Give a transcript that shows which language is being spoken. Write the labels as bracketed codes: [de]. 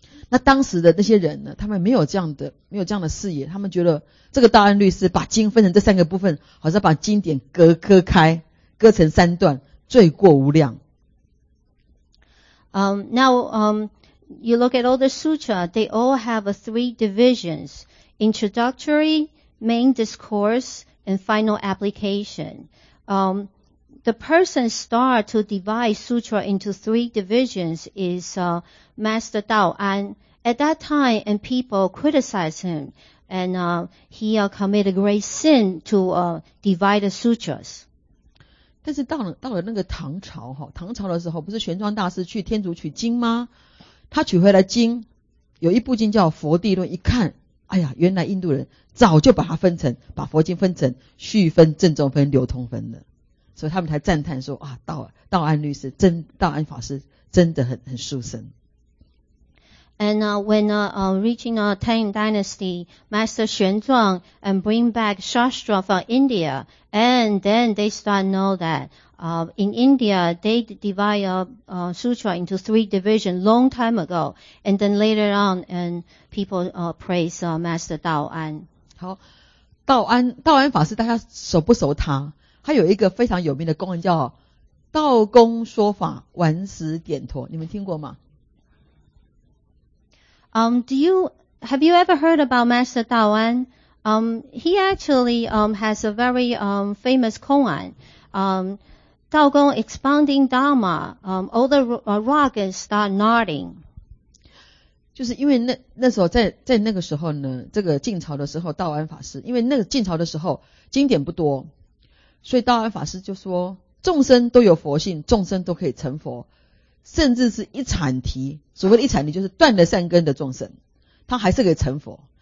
[zh] 那当时的那些人呢，他们没有这样的视野，他们觉得这个道安律师把经分成这三个部分，好像把经典割开，割成三段，罪过无量。 [en] You look at all the sutra, they all have three divisions: introductory, main discourse, and final application. The person start to divide sutra into three divisions is Master Dao An. At that time, and people criticize him, and he committed a great sin to divide the sutras. [zh] 但是到了那个唐朝齁，唐朝的时候不是玄奘大师去天竺取经吗？他取回来经有一部经叫佛地论，一看哎呀，原来印度人早就把佛经分成序分、正中分、流通分了。所以他们才赞叹说啊，道安法师真的很殊胜。 [en] And reaching Tang Dynasty, Master Xuanzang and bring back Shastra from India, and then they start know that in India they divide sutra into three divisions long time ago, and then later on and people praise Master Dao An. [zh] 好，道安法师大家熟不熟他？他有一个非常有名的公案叫《道公说法顽石点陀》，你们听过吗？ [en] Have you ever heard about Master Dao An? He actually has a very famous koan. Dao Gong expounding Dharma, all the rocks start nodding. [zh] 就是因为那时候在那个时候呢，这个晋朝的时候，道安法师，因为那个晋朝的时候经典不多，所以道安法师就说，众生都有佛性，众生都可以成佛。甚至是一禅提，所谓的一禅提就是断了善根的众生，他还是可以成佛。